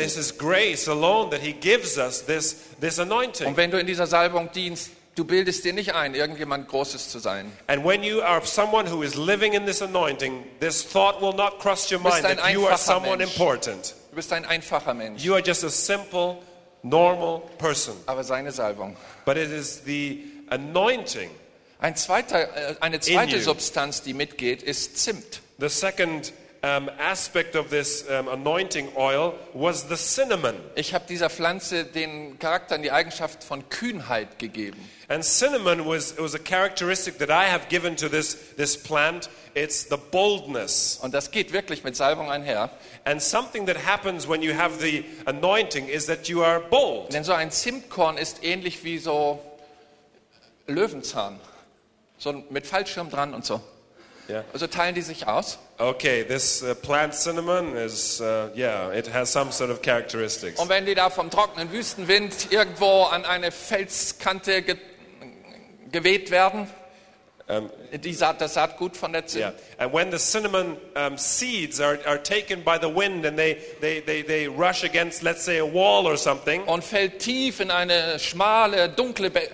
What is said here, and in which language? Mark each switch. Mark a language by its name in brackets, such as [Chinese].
[English] And this is grace alone that he gives us this anointing. [German] Und wenn du in dieser Salbung dienst, du bildest dir nicht ein, irgendjemand Großes zu sein. [English] And when you are someone who is living in this anointing, this thought will not cross your mind that you are someone [German] Mensch. [English] Important. [German] Du bist ein einfacher Mensch. [English] You are just a simple, normal person. [German] Aber seine Salbung. [English] But it is the anointing. [German] Eine zweite Substanz, die mitgeht, ist Zimt. [English] The second aspect of this anointing oil was the cinnamon. [German] Ich habe dieser Pflanze den Charakter und die Eigenschaft von Kühnheit gegeben. [English] And cinnamon was a characteristic that I have given to this plant. It's the boldness. [German] Und das geht wirklich mit Salbung einher. [English] And something that happens when you have the anointing is that you are bold. [German] Denn so ein Zimtkorn ist ähnlich wie so Löwenzahn. So mit Fallschirm dran und so. [English] Yeah. [German] Also teilen die sich aus. [English] Okay, this plant cinnamon is, it has some sort of characteristics. [German] Und wenn die da vom trockenen Wüstenwind irgendwo an eine Felskante geweht werden, das Saatgut von der Zimt. [English] Yeah. And when the cinnamon seeds are taken by the wind and they rush against, let's say, a wall or something. [German] Und fällt tief in eine schmale, dunkle Felsspalte.